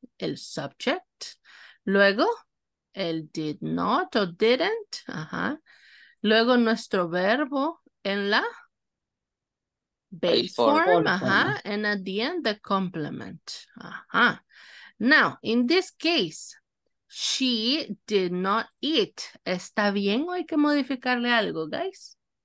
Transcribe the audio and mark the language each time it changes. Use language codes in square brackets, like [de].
[es] El subject, luego el did not o didn't, ajá. Luego nuestro verbo en la base form, ajá. [en] And at the end, the complement, ajá. Now, in this case, she did not eat. [es] ¿Está bien o hay que modificarle algo, guys?